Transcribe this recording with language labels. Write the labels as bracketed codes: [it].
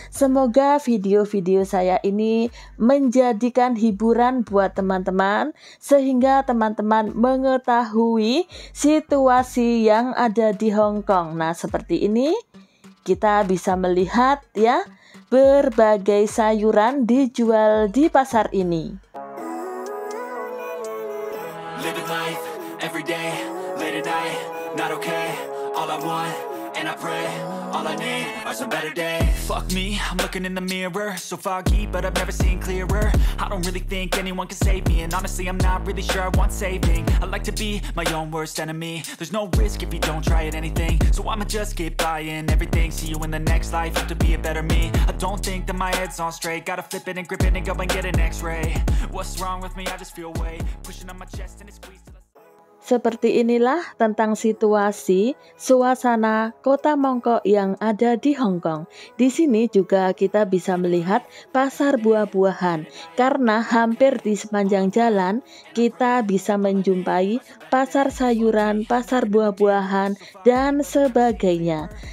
[id] Semoga video-video saya ini menjadikan hiburan buat teman-teman, sehingga teman-teman mengetahui situasi yang ada di Hong Kong. Nah, seperti ini kita bisa melihat ya berbagai sayuran dijual di pasar ini. [en] Living life every day, late at night, not okay, all I want. And I pray, all I need are some better days. Fuck me, I'm looking in the mirror. So foggy, but I've never seen clearer. I don't really think anyone can save me. And honestly, I'm not really sure I want saving. I like to be my own worst enemy. There's no risk if you don't try at anything. So I'ma just get buying everything. See you in the next life, hope to be a better me. I don't think that my head's on straight. Gotta flip it and grip it and go and get an x-ray. What's wrong with me? I just feel weight pushing on my chest and it squeezes. [id] Seperti inilah tentang situasi, suasana kota Mongkok yang ada di Hong Kong. Di sini juga kita bisa melihat pasar buah-buahan. Karena hampir di sepanjang jalan, kita bisa menjumpai pasar sayuran, pasar buah-buahan, dan sebagainya.